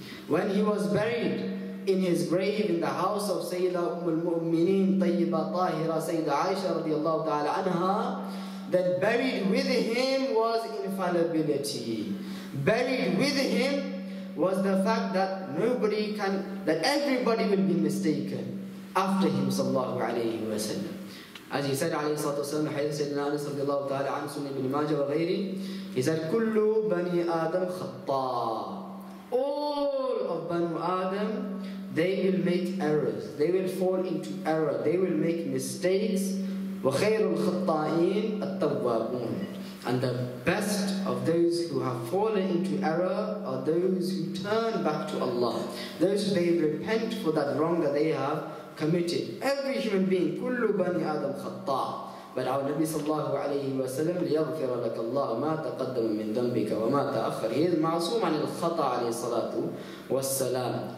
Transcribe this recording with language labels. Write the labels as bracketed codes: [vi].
[en] When he was buried in his grave in the house of Sayyida al-Mu'mineen Tayyiba Tahira Sayyida Aisha radiallahu ta'ala anha, that buried with him was infallibility. Buried with him was the fact that nobody can, that everybody will be mistaken after him sallallahu alayhi wa sallam. As he said, [ar] عليه الصلاة والسلام, حديث سيدنا أنس رضي الله تعالى عن سنة بن ماجه وغيره, [en] he said, [ar] كل بني آدم خطاء. [en] All of Banu Adam, they will make errors. They will fall into error. They will make mistakes. [ar] وخير الخطائين التوابون. [en] And the best of those who have fallen into error are those who turn back to Allah. Those who they repent for that wrong that they have committed. Every human being, [ar] كل بني آدم خطاء. [en] But our Nabi [ar] sallallahu alayhi wa sallam, لِيَغْفِرَ لَكَ اللَّهُ مَا تَقَدَّمُ مِنْ ذَنْبِكَ وَمَا تَأَخَّرِ. [en] He is [ar] معصوم عن الخطاء عليه الصلاة والسلام.